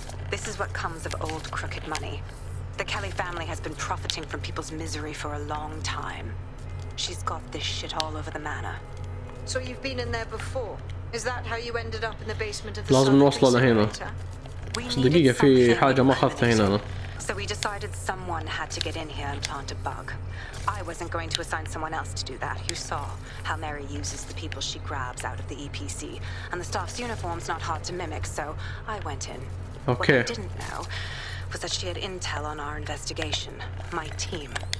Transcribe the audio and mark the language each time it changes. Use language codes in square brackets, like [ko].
[en] This is what comes of old crooked money. The Kelly family has been profiting from people's misery for a long time. She's got this shit all over the manor. So you've been in there before. Is that how you ended up in the basement of the [ar] لازم نوصله لهنا. دقيقة في حاجة ما أخذتها هنا أنا. [en] So we decided someone had to get in here and plant a bug. I wasn't going to assign someone else to do that. You saw how Mary uses the people she grabs out of the EPC, and the staff's uniform's not hard to mimic, so I went in. Okay. What I didn't know was that she had intel on our investigation, my team.